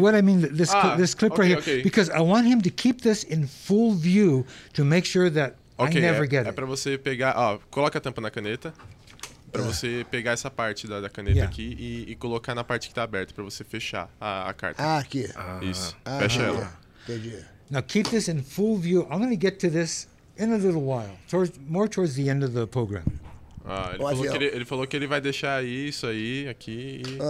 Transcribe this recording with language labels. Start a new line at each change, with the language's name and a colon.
English: What I mean, this clip okay, right here. Okay. Because I want him to keep this in full view to make sure that okay, I never get it.
Portuguese: É pra você pegar... Ó, coloca a tampa na caneta. Pra você pegar essa parte da caneta aqui e colocar na parte que tá aberta pra você fechar a carta. Ah, aqui. Isso. Fecha ela. Entendi.
English: Now, keep this in full view. I'm going to get to this in a little while. More towards the end of the program.
Portuguese: Ele falou que ele vai deixar isso aí, aqui.